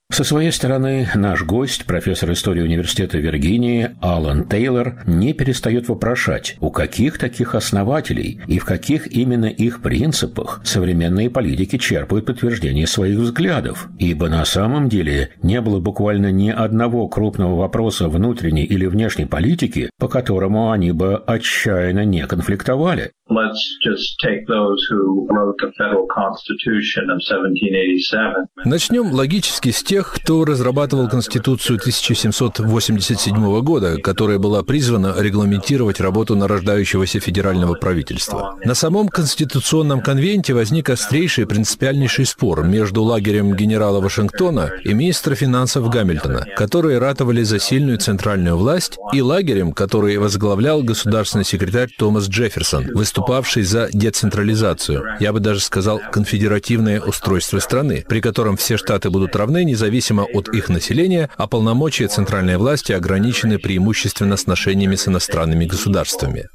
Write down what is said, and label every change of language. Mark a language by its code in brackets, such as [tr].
[ru] Со своей стороны, наш гость, профессор истории университета Виргинии Алан Тейлор, не перестает вопрошать, у каких таких основателей и в каких именно их принципах современные политики черпают подтверждение своих взглядов. Ибо на самом деле не было буквально ни одного крупного вопроса внутренней или внешней политики, по которому они бы отчаянно не конфликтовали. [en] Let's just take those who wrote the Federal Constitution of 1787. [ru] Начнем логически с тех, кто разрабатывал Конституцию 1787 года, которая была призвана регламентировать работу нарождающегося федерального правительства. На самом Конституционном конвенте возник острейший принципиальнейший спор между лагерем генерала Вашингтона и министра финансов Гамильтона, которые ратовали за сильную центральную власть, и лагерем, который возглавлял государственный секретарь Томас Джефферсон, выступавший за децентрализацию, я бы даже сказал, конфедеративное устройство страны, при котором все штаты будут равны независимо от их населения, а полномочия центральной власти ограничены преимущественно сношениями с иностранными государствами.